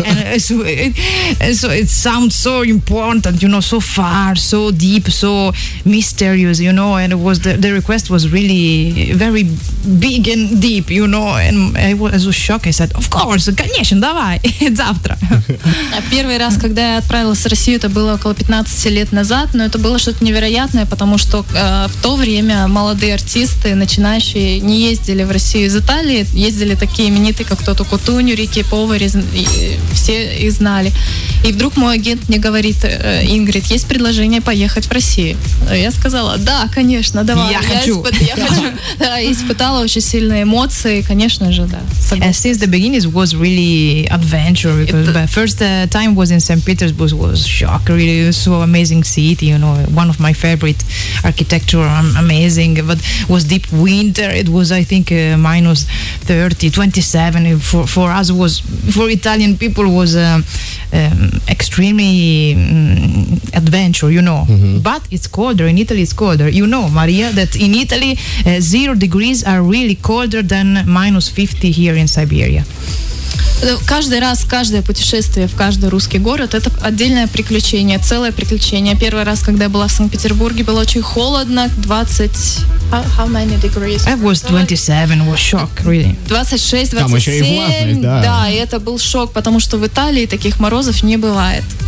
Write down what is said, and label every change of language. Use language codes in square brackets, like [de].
[en] And so it sounds so important, you know, so far, so deep, so mysterious, you know, and it was the request was really very big and deep, you know, and I was so shocked. I said, of course, [ru] конечно, давай, завтра. Первый раз, когда я отправилась в Россию, это было около 15 лет назад, но это было что-то невероятное, потому что в то время молодые артисты, начинающие, не ездили в Россию из Италии, ездили такие именитые, как Тото Кутуньо, Рики Повери, все их знали. И вдруг мой агент мне говорит, Ингрид, есть предложение поехать в Россию? Я сказала, да, конечно, давай. Я хочу. Да, испытала очень сильные эмоции, конечно же, да. [en] And since the beginning was really adventure, because the first time was in St. Petersburg, was shock, really, so amazing city, you know, one of my favorite architecture, amazing, but was deep winter, it was, I think, minus 30, 27 for us was, for Italian people was extremely adventure, you know. Mm-hmm. But it's colder, in Italy it's colder. You know, Maria, that in Italy 0 degrees are really colder than minus 50 here in Siberia. [ru] Каждый раз, каждое путешествие в каждый русский город – это отдельное приключение, целое приключение. Первый раз, когда я была в Санкт-Петербурге, было очень холодно, 20... [en] How many degrees? It was 27, was shock, really. [ru] 26-27, да. Да, и это был шок, потому что в Италии таких морозов не бывает.